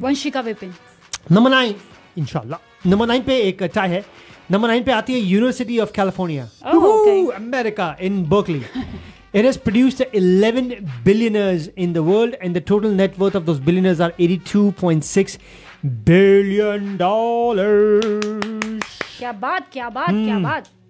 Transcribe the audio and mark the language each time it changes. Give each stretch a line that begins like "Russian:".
Hindi: Vanshika Vipin number 9, इंशाल्लाह number 9 पे एक चाय है. नंबर 9 पे आती है university of California America in Berkeley.
English: It has produced 11 billionaires in the world, and the total net worth of those billionaires are $82.6 billion.
Hindi: क्या बात.